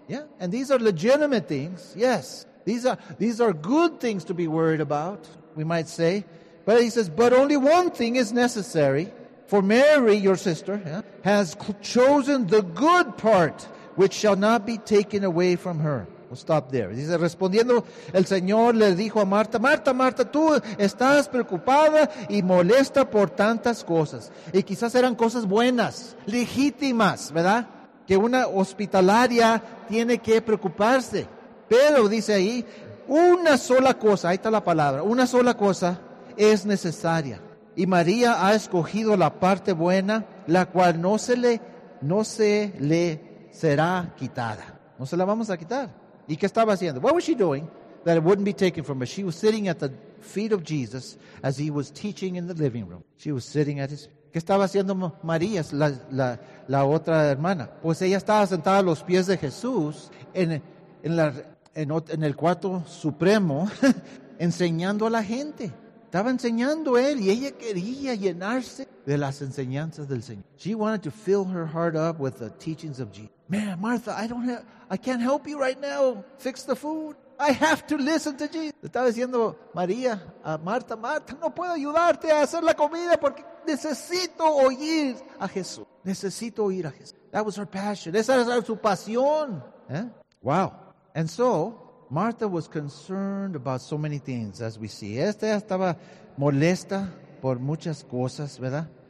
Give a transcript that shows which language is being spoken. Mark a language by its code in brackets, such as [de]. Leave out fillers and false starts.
[en] Yeah, and these are legitimate things, yes. These are good things to be worried about, we might say. But he says, but only one thing is necessary, for Mary, your sister, has chosen the good part, which shall not be taken away from her. We'll stop there. [es] Dice, respondiendo, el Señor le dijo a Marta, Marta, Marta, tú estás preocupada y molesta por tantas cosas. Y quizás eran cosas buenas, legítimas, ¿verdad? Que una hospitalaria tiene que preocuparse. Pero, dice ahí, una sola cosa, ahí está la palabra, una sola cosa es necesaria. Y María ha escogido la parte buena, la cual no se le será quitada. No se la vamos a quitar. ¿Y qué estaba haciendo? [en] What was she doing that it wouldn't be taken from her? She was sitting at the feet of Jesus as he was teaching in the living room. She was sitting at his feet. [es] ¿Qué estaba haciendo María, la otra hermana? Pues ella estaba sentada a los pies de Jesús en el cuarto supremo, enseñando a la gente. Estaba enseñando él y ella quería llenarse de las enseñanzas del Señor. [en] She wanted to fill her heart up with the teachings of Jesus. Man, Martha, I can't help you right now. Fix the food. I have to listen to Jesus. [es] Estaba diciendo María a Marta, Marta, no puedo ayudarte a hacer la comida porque necesito oír a Jesús. Necesito oír a Jesús. [en] That was her passion. [es] Esa era su pasión. ¿Eh? Wow. [en] And so, Martha was concerned about so many things, as we see. [es] Esta ya estaba molesta por muchas cosas, ¿verdad?